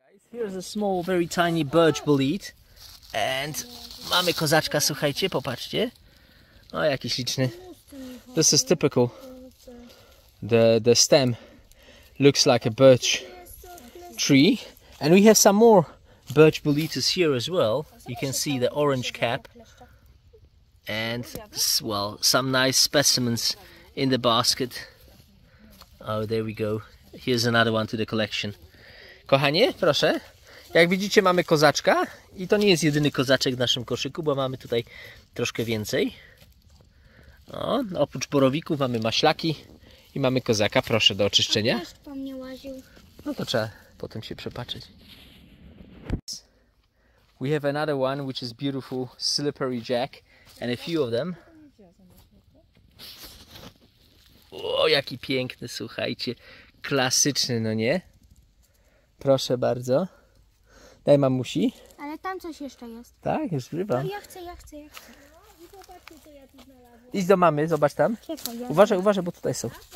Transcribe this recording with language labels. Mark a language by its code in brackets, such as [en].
[en] Here's a small, very tiny birch bullet. [pl] And mamy kozaczka, słuchajcie, popatrzcie. O, jaki śliczny. [en] This is typical. The stem looks like a birch tree. And we have some more birch bulletus here as well. You can see the orange cap. And, well, some nice specimens in the basket. Oh, there we go. Here's another one to the collection. [pl] Kochanie, proszę. Jak widzicie, mamy kozaczka i to nie jest jedyny kozaczek w naszym koszyku, bo mamy tutaj troszkę więcej. O, oprócz borowików mamy maślaki i mamy kozaka, proszę, do oczyszczenia. A po mnie łaził. No to trzeba potem się przepaczyć. [en] We have another one, which is beautiful, slippery jack, and a few of them. [pl] jaki piękny, słuchajcie. Klasyczny, no nie? Proszę bardzo. Daj mamusi. Ale tam coś jeszcze jest. Tak, jest grzyba. No ja chcę. No, i zobaczcie, co ja tu znalazłam. Idź do mamy, zobacz tam. Uważaj, bo tutaj są.